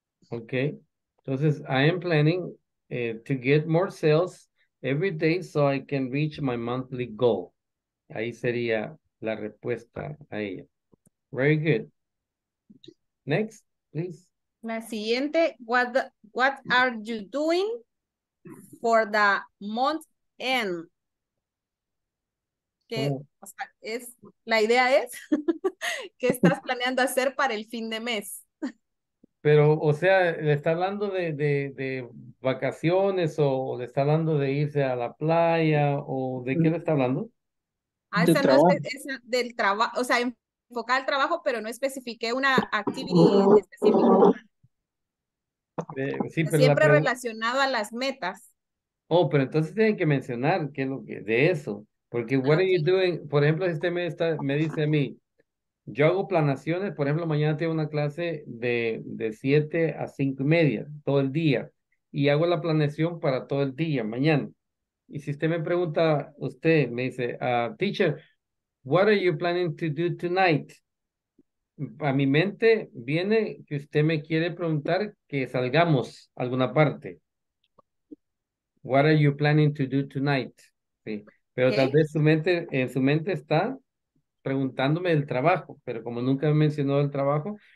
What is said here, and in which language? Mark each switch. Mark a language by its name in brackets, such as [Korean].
[English] Okay. Entonces, I am planning to get more sales every day so I can reach my monthly goal. [Spanish] Ahí sería la respuesta a ella. [English] Very good. Next, please. [Spanish] La siguiente, [English] what are you doing for the month end? [Spanish] ¿Qué, oh. O sea, es, la idea es, ¿qué estás planeando hacer para el fin de mes? Pero, o sea, ¿le está hablando de vacaciones o le está hablando de irse a la playa o de qué le está hablando? Ah, esa no es del trabajo, o sea, enfocar al trabajo, pero no especifique una actividad específica. Sí, pero siempre relacionado a las metas. Oh, pero entonces tienen que mencionar qué es lo que de eso. Porque [English] what are you doing? [Spanish] Por ejemplo, este mes me dice a mí, yo hago planaciones, por ejemplo, mañana tengo una clase de 7 a 5 y media, todo el día. Y hago la planeación para todo el día, mañana. Y si usted me pregunta, usted me dice, [English] teacher, what are you planning to do tonight? [Spanish] A mi mente viene que usted me quiere preguntar que salgamos a alguna parte. [English] What are you planning to do tonight? [Spanish] Sí. Pero okay. Tal vez en su mente está preguntándome del trabajo, pero como nunca he mencionado el trabajo.